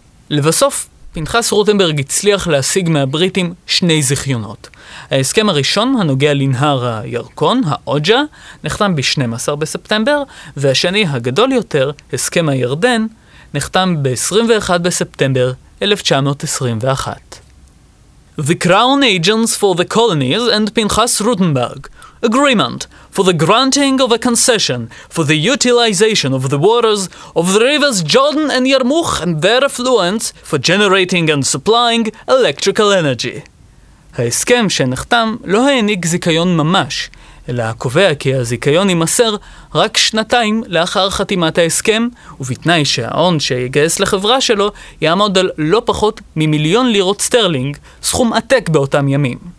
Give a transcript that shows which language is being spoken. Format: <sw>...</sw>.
<he>לבסוף, פנחס רוטנברג הצליח להשיג מהבריטים שני זיכיונות. ההסכם הראשון, הנוגע לנהר הירקון, האוג'ה, נחתם ב-12 בספטמבר, והשני, הגדול יותר, הסכם הירדן, נחתם ב-21 בספטמבר 1921.</he> <en>The Crown Agents for the Colonies and Pinchas Rutenberg. Agreement for the granting of a concession for the utilization of the waters of the rivers Jordan and Yarmouk and their affluents for generating and supplying electrical energy.</en> <he>ההסכם שנחתם לא העניק זיכיון ממש, אלא קובע כי הזיכיון יימסר רק שנתיים לאחר חתימת ההסכם, ובתנאי שהעון שיגייס לחברה שלו יעמוד על לא פחות ממיליון לירות סטרלינג, סכום עתק באותם ימים.</he>